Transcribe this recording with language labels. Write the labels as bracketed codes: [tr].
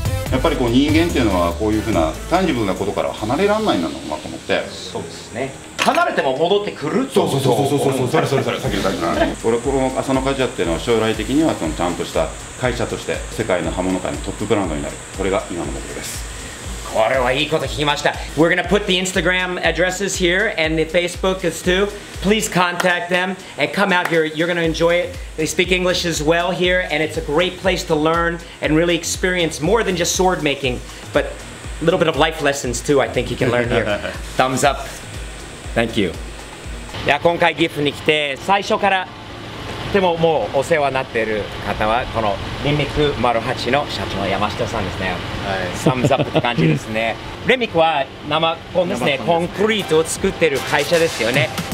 [ja] やっぱりこう人間っていうのはこういうふうなタンジブルなことから離れられないんだろうなと思って。そうですね。離れても戻ってくるってこと。そうそうそうそうそう、それそれそれ、さっきの感じだね。俺この浅野鍛冶屋っていうのは将来的にはそのちゃんとした会社として世界の刃物界のトップブランドになる、これが今の目標です。これはいいこと聞きました。 [en] We're gonna put the Instagram addresses here and the Facebook is too. Please contact them and come out here. You're gonna enjoy it. They speak English as well here, and it's a great place to learn and really experience more than just sword making, but a little bit of life lessons too, I think you can learn here. Thumbs up. Thank you. [ja] いや、今回岐阜に来て最初からでももうお世話になっている方はこのレミク丸八の社長の山下さんですね。サムズアップって感じですね。レミクは生コンですね。コンクリートを作ってる会社ですよね。